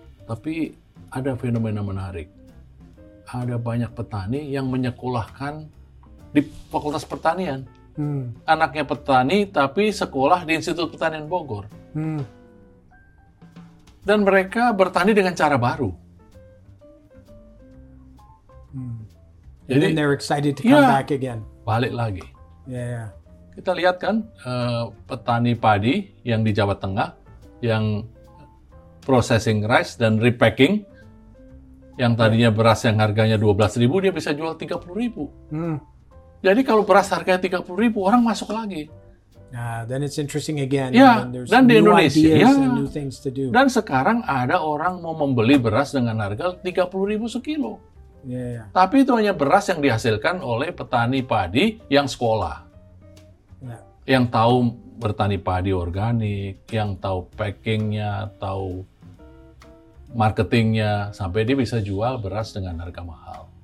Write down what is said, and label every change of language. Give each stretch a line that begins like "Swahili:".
Indonesian: Tapi ada fenomena menarik. Ada banyak petani yang menyekolahkan di Fakultas Pertanian. Anaknya petani tapi sekolah di Institut Pertanian Bogor. Dan mereka bertani dengan cara baru. Jadi,
English: and then they're excited to come back again.
Indonesian: Balik lagi.
English: Yeah.
Indonesian: Kita lihat kan petani padi yang di Jawa Tengah yang
English: processing rice
Indonesian: dan repacking. Yang tadinya beras yang harganya 12.000 dia bisa jual 30.000. Jadi kalau beras harganya 30.000 orang masuk lagi.
English: Then it's interesting again.
Indonesian: Dan di Indonesia
English: and new things to do.
Indonesian: Dan sekarang ada orang mau membeli beras dengan harga 30.000 sekilo. Tapi itu hanya beras yang dihasilkan oleh petani padi yang sekolah. Yang tahu bertani padi organik, yang tahu packingnya, tahu marketingnya, sampai dia bisa jual beras dengan harga mahal.